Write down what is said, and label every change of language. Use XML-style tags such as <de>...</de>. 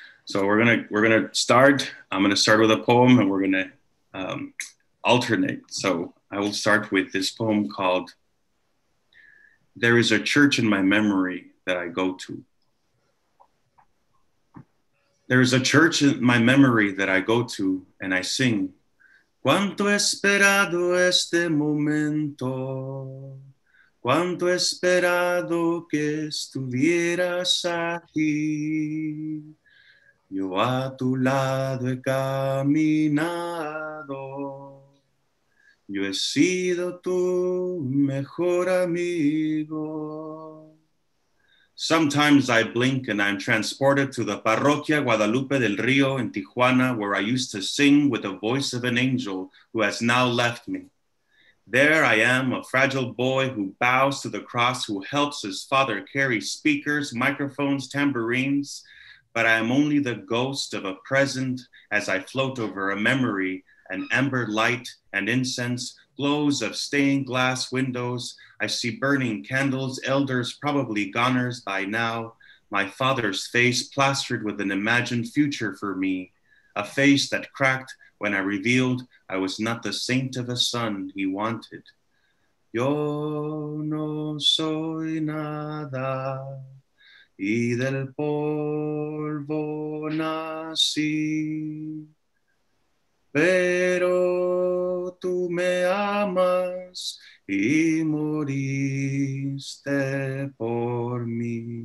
<en>So we're gonna start. I'm gonna start with a poem, and we're gonna alternate. So I will start with this poem called, "There is a church in my memory that I go to. There is a church in my memory that I go to, and I sing.</en> <es>Cuánto he esperado este momento, cuánto he esperado que estuvieras aquí. Yo a tu lado he caminado, yo he sido tu mejor amigo.</es> <en>Sometimes I blink and I'm transported to the Parroquia Guadalupe del Río in Tijuana, where I used to sing with the voice of an angel who has now left me. There I am, a fragile boy who bows to the cross, who helps his father carry speakers, microphones, tambourines, but I am only the ghost of a present as I float over a memory, an amber light and incense, glows of stained glass windows. I see burning candles, elders probably goners by now, my father's face plastered with an imagined future for me, a face that cracked when I revealed I was not the saint of a son he wanted.</en> <es>Yo no soy nada, y del polvo nací, pero tú me amas y moriste por mí.</es>